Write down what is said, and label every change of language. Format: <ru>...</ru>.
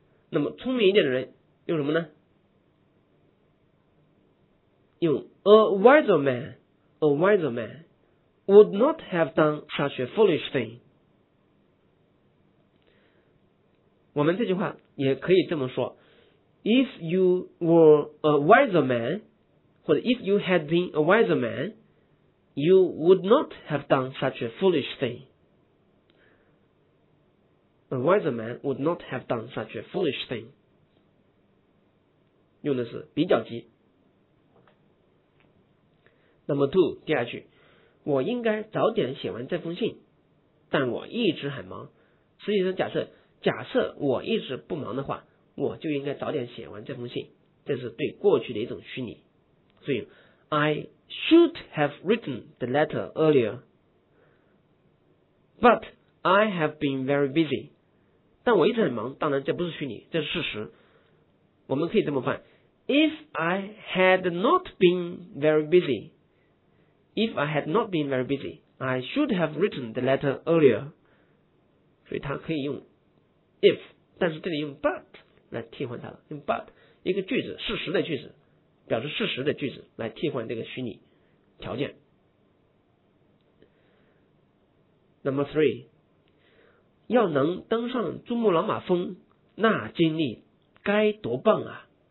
<zh>那么聪明一点的人用什么呢？</zh> <en>用 a wiser man would not have done such a foolish thing。</en> <zh>我们这句话也可以这么说，</zh> <en>if you were a wiser man 或者 if you had been a wiser man you would not have done such a foolish thing。 A wiser man would not have done such a foolish thing，</en> <zh>用的是比较级。那么 第二句，我应该早点写完这封信，但我一直很忙。实际上假设我一直不忙的话，我就应该早点写完这封信，这是对过去的一种虚拟。所以</zh> <en>I should have written the letter earlier but I have been very busy，</en> <zh>但我一直很忙，当然这不是虚拟，这是事实。我们可以这么办，</zh> <en>If I had not been very busy, I should have written the letter earlier。</en> <zh>所以它可以用 if， 但是这里用 but 来替换它了，用 but 一个句子，事实的句子，表示事实的句子来替换这个虚拟条件。</zh> <en>Number three，</en> <zh>要能登上珠穆朗玛峰，那经历该多棒啊。</zh>